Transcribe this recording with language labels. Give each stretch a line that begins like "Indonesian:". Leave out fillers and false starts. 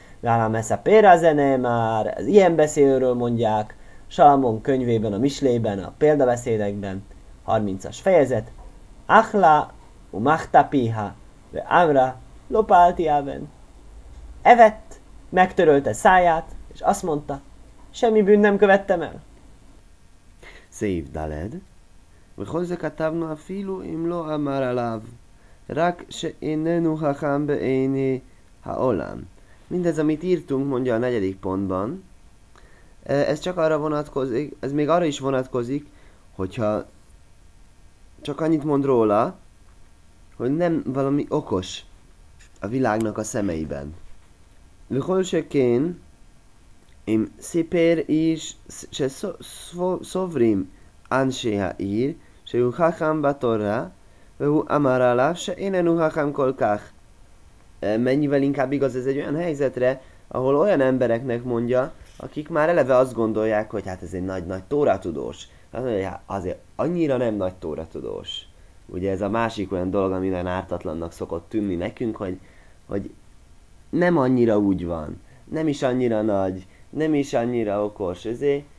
Hungarian: Lála mesapér a zene már, az ilyen beszélőről mondják, Salamon könyvében, a mislében, a példabeszédekben, 30-as fejezet,
Hebrew: Achla, umachta piha, ve amra, lopálti áven.
Hungarian: Evett, megtörölte száját, és azt mondta, semmi bűn nem követtem el.
Hebrew: Szép daled, וכל זה כתבנו אפילו אם לא אמר עליו, רק שאיננו חכם בעיני העולם.
Hungarian: Mindez, amit írtunk, mondja a negyedik pontban, ez csak arra vonatkozik, ez még arra is vonatkozik, hogyha csak annyit mond róla, hogy nem valami okos a világnak a szemeiben.
Hebrew: וכל שכן, אם סיפר איש, שסוברים אנשי העיר, שהוא חכם בתורה, והוא אמר עליו שאיננו חכם כל כך.
Hungarian: Mennyivel inkább igaz ez egy olyan helyzetre, ahol olyan embereknek mondja, akik már eleve azt gondolják, hogy hát ez egy nagy-nagy tóratudós. Hát mondja, azért annyira nem nagy tóratudós. Ugye ez a másik olyan dolog, ami nagyon ártatlannak szokott tűnni nekünk, hogy nem annyira úgy van, nem is annyira nagy, nem is annyira okos, ezért...